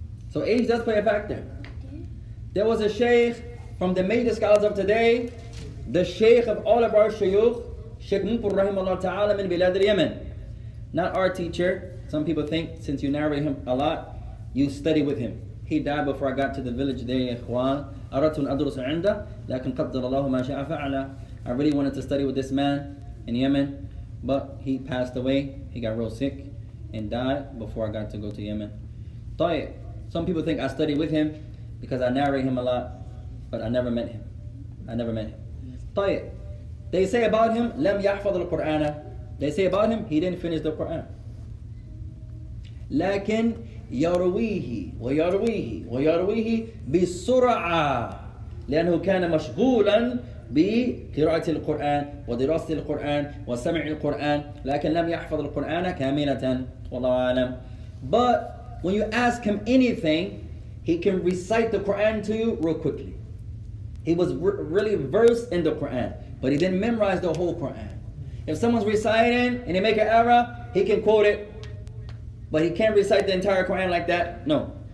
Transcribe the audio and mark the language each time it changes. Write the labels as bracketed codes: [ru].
[en] So age does play a factor. There was a sheikh from the major scholars of today, the sheikh of all of our shayukh, Sheikh Mumpur Rahimahullah Ta'ala [ar] min Bilad al-Yemen. [en] Not our teacher. Some people think since you narrate him a lot, you study with him. He died before I got to the village there, Ikhwan. [ar] أردت أن أدرس عنده لكن قدر الله ما شاء فعل. [en] I really wanted to study with this man in Yemen, but he passed away. He got real sick and died before I got to go to Yemen. Some people think I study with him because I narrate him a lot, but I never met him. They say about him, [ar] لم يحفظ القرآن. [en] They say about him, he didn't finish the Quran. [ar] لكن يرويه ويرويه ويرويه بسرعة لأنه كان مشغولا بقراءة القرآن ودراسة القرآن وسمع القرآن لكن لم يحفظ القرآن كاملة والله أعلم. [en] But when you ask him anything, he can recite the Quran to you real quickly. He was really versed in the Quran, but he didn't memorize the whole Quran. If someone's reciting and they make an error, he can quote it, but he can't recite the entire Quran like that, no.